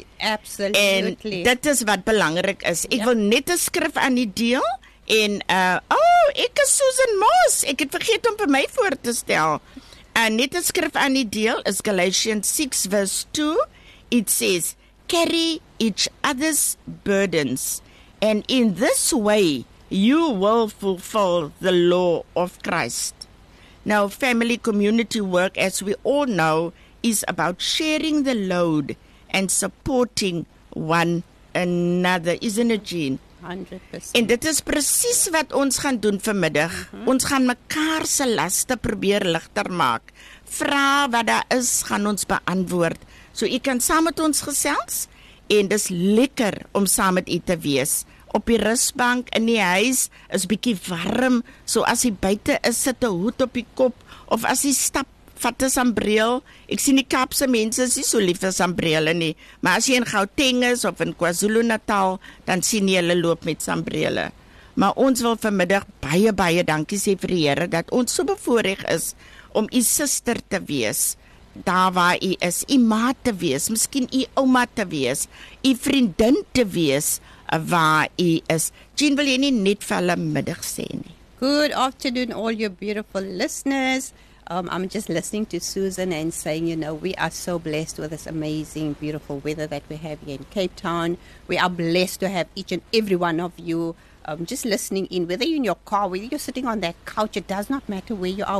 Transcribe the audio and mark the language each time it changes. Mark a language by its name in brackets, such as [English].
[English] Absolutely. [Afrikaans] En dit is wat belangrik is. Ek wil net 'n skrif aan die deel en ek is Susan Moss. Ek het vergeet om vir my voor te stel. En net 'n skrif aan die deel is Galatians 6 verse 2. [English] It says, carry each other's burdens. And in this way, you will fulfill the law of Christ. Now, family community work, as we all know, is about sharing the load and supporting one another. Isn't it, Jean? 100%. [Afrikaans] En dit is precies wat ons gaan doen vanmiddag. Mm-hmm. Ons gaan mekaar se laste probeer ligter maak. Vra wat daar is, gaan ons beantwoord. So, u kan saam met ons gesels. En dis lekker om saam met u te wees. Op die rusbank in die huis is bietjie warm, so as jy buite is, sit 'n hoed op die kop of as jy stap, vat 'n sambreel. Ek sien die Kaapse mense is nie so lief vir sambrele nie, maar as jy in Gauteng is of in KwaZulu-Natal, dan sien jy hulle loop met sambrele. Maar ons wil vanmiddag baie dankie sê vir die Here dat ons so bevoorreg is om u suster te wees. Daar waar jy is, jy ma te wees, miskien jy ouma te wees, jy vriendin te wees, waar jy is. Jean, wil jy nie net vir hulle middag sê nie? [English] Good afternoon, all your beautiful listeners. I'm just listening to Susan and saying, you know, we are so blessed with this amazing, beautiful weather that we have here in Cape Town. We are blessed to have each and every one of you just listening in, whether you're in your car, whether you're sitting on that couch, it does not matter where you are.